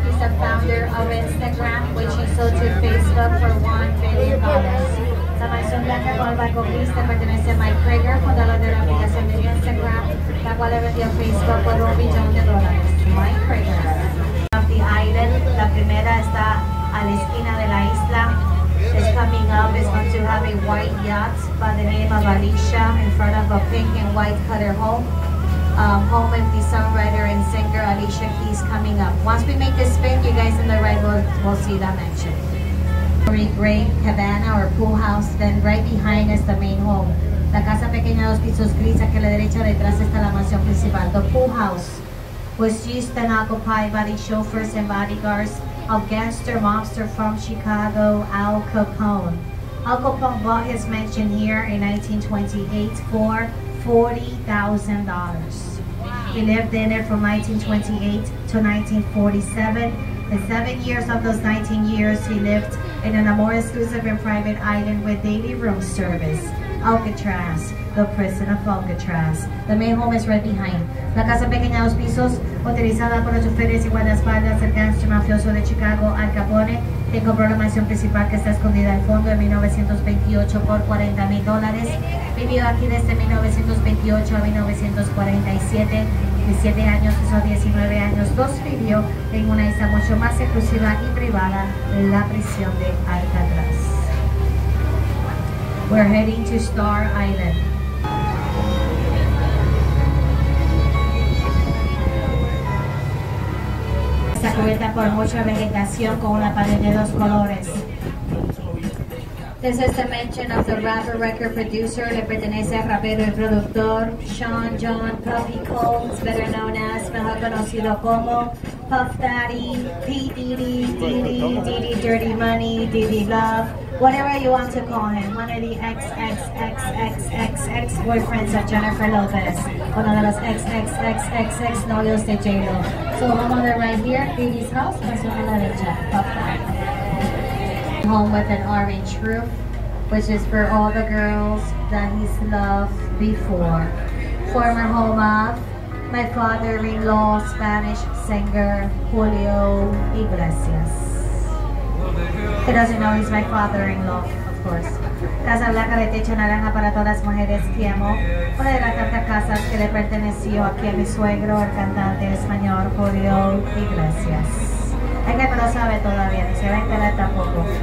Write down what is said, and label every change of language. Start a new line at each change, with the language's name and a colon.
English: He's the founder of Instagram, which he sold to Facebook for $1 billion.
Spanish: La mansión blanca con el banco gris pertenece a Mike Prager, fundador de la aplicación de Instagram, la cual le vendió Facebook por $1 billion. Mike Prager.
English: Of the island,
Spanish: la primera está a la esquina de la isla.
English: It's coming up. It's going to have a white yacht by the name of Alicia in front of a pink and white color home. Home with the songwriter and singer Alicia Keys coming up. Once we make this spin, you guys in the red will see that mansion. Gray cabana or pool house, then right behind is the main home.
Spanish: La casa pequeña dos pisos gris, aquí a la derecha detrás está la mansión principal.
English: The pool house was used and occupied by the chauffeurs and bodyguards of gangster mobster from Chicago, Al Capone. Al Capone bought his mansion here in 1928 for $40,000. Wow. He lived in it from 1928 to 1947. In 7 years of those 19 years, he lived in a more exclusive and private island with daily room service. Alcatraz, the prison of Alcatraz. The main home is right behind.
Spanish: La casa pequeña dos pisos, utilizada por los choferes y guardaespaldas del gangster mafioso de Chicago, Al Capone, que compró la mansión principal que está escondida al fondo en 1928 por $40,000. Vivió aquí desde 1928 a 1947. 17 años, esos 19 años, dos vivió en una isla mucho más exclusiva y privada, la prisión de Alcatraz.
English: We're heading to Star Island.
Spanish: Está cubierta por mucha vegetación con una pared de dos colores.
English: This is the mention of the rapper record producer.
Spanish: Le pertenece al rapero y productor Sean John Puffy Combs,
English: better known as,
Spanish: mejor conocido como Puff Daddy, P.
English: Diddy, Diddy, Diddy Dirty Money, Diddy Love, whatever you want to call him. One of the XXXXXX boyfriends of Jennifer Lopez. One of those XXXXX
Spanish: novios de
English: J-Lo. So home on the right here, Diddy's house, and so on the
Spanish: derecha,
English: Puff Daddy. Home with an orange roof, which is for all the girls that he's loved before. Former home of my father-in-law, Spanish singer Julio Iglesias. He doesn't know he's my father-in-law, of course.
Spanish: Casa blanca de techo naranja para todas las mujeres que amo. Una de las tantas casas que le perteneció aquí a mi suegro, el cantante español Julio Iglesias. Es que no lo sabe todavía, no se va a enterar tampoco.